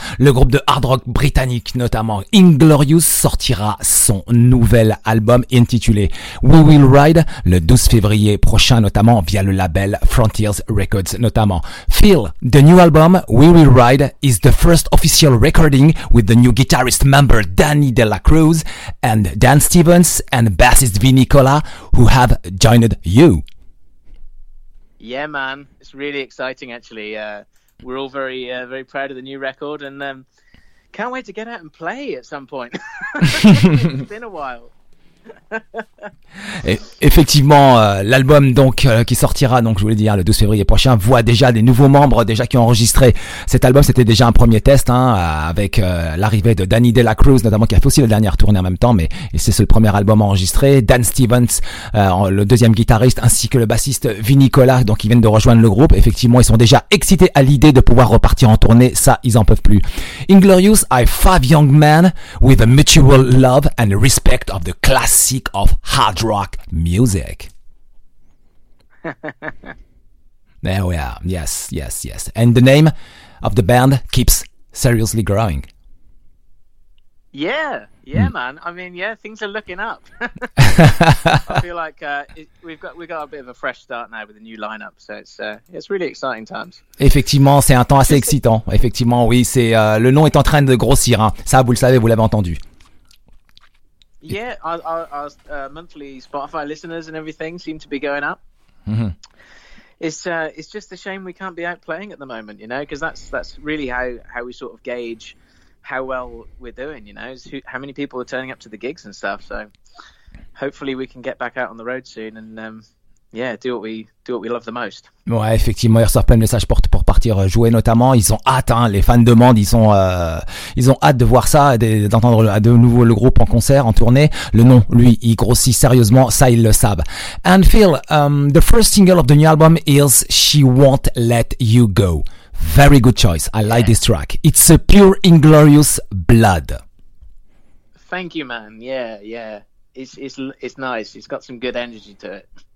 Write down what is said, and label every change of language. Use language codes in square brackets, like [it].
[fr] Le groupe de hard rock britannique, notamment Inglorious, sortira son nouvel album intitulé We Will Ride le 12 février prochain, notamment via le label Frontiers Records, notamment. [en] Phil, the new album We Will Ride is the first official recording with the new guitarist member Danny De La Cruz and Dan Stevens and bassist V. Nicola, who have joined you. Yeah, man, it's really exciting, actually. We're all very, very proud of the new record, and can't wait to get out and play at some point. It's been a while. [fr] Effectivement, l'album donc qui sortira donc je voulais dire le 12 février prochain voit déjà des nouveaux membres déjà qui ont enregistré cet album. C'était déjà un premier test hein, avec l'arrivée de Danny De La Cruz notamment qui a fait aussi la dernière tournée en même temps, mais c'est le premier album enregistré. Dan Stevens, le deuxième guitariste, ainsi que le bassiste V. Nicola, donc ils viennent de rejoindre le groupe. Effectivement, ils sont déjà excités à l'idée de pouvoir repartir en tournée. Ça, ils en peuvent plus. [en] Inglorious are five young men with a mutual love and respect of the classic. Sick of hard rock music. There we are. Yes. And the name of the band keeps seriously growing. Yeah, man. I mean, yeah, things are looking up. I feel like we've got a bit of a fresh start now with a new lineup, so it's really exciting times. [fr] Effectivement, c'est un temps assez excitant. Effectivement, oui, c'est le nom est en train de grossir. Hein. Ça, vous le savez, vous l'avez entendu. [en] Yeah, our monthly Spotify listeners and everything seem to be going up. Mm-hmm. It's just a shame we can't be out playing at the moment, you know, because that's really how we sort of gauge how well we're doing, you know, how many people are turning up to the gigs and stuff. So hopefully we can get back out on the road soon and do what we love the most. [fr] Ouais, effectivement, ils reçoivent plein de messages pour partir jouer notamment. Ils ont hâte, hein, les fans demandent, ils ont hâte de voir ça, d'entendre de nouveau le groupe en concert, en tournée. Le nom, lui, il grossit sérieusement, ça ils le savent. [en] And Phil, the first single of the new album is She Won't Let You Go. Very good choice, I like this track. It's a pure Inglorious blood. Thank you, man, yeah. It's nice, it's got some good energy to it.